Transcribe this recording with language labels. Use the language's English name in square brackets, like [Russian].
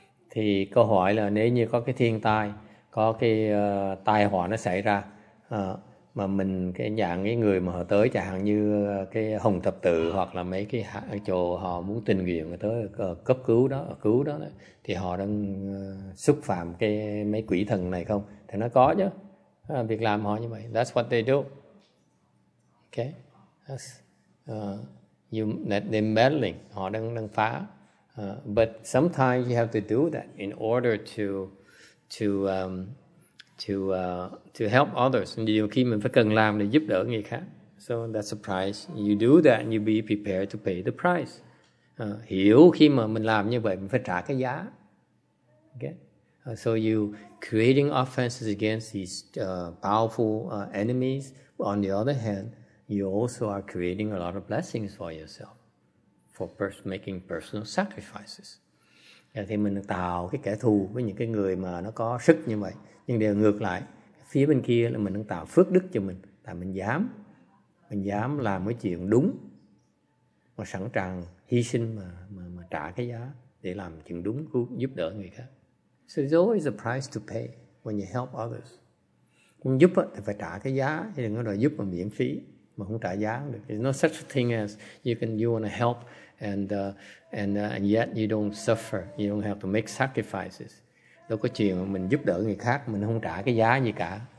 [Vietnamese] Thì câu hỏi là nếu như có cái thiên tai, có cái tai họa nó xảy ra, mà mình cái dạng cái người mà họ tới, chẳng hạn như cái Hồng Thập Tự hoặc là mấy cái chỗ họ muốn tình nguyện người tới cấp cứu đó, cứu đó, đó thì họ đang xúc phạm cái mấy quỷ thần này không? Thì nó có chứ, việc làm họ như vậy. [English] That's what they do. Okay. That's, they're meddling, [Vietnamese] họ đang phá. [English] But sometimes you have to do that in order to help others. [Vietnamese] Nhiều khi mình phải cần làm để giúp đỡ người khác. [English] So that's a price. You do that and you be prepared to pay the price. [Vietnamese] Hiểu khi mà mình làm như vậy, mình phải trả cái giá. [English] Okay? So you creating offenses against these powerful enemies. On the other hand, you also are creating a lot of blessings for yourself, for making personal sacrifices. [Vietnamese] Thì mình tạo cái kẻ thù với những cái người mà nó có sức như vậy. Nhưng điều ngược lại, phía bên kia là mình đang tạo phước đức cho mình. Tại mình dám làm cái chuyện đúng, mà sẵn sàng hy sinh mà trả cái giá để làm chuyện đúng, giúp đỡ người khác. [English] So there's always a price to pay when you help others. [Vietnamese] Cũng giúp thì phải trả cái giá, chứ đừng có đòi giúp mà miễn phí. Mà không trả giá được. [English] There's no such thing as you want to help and yet you don't suffer. You don't have to make sacrifices. [Vietnamese] Đâu có chuyện mà mình giúp đỡ người khác mình không trả cái giá gì cả.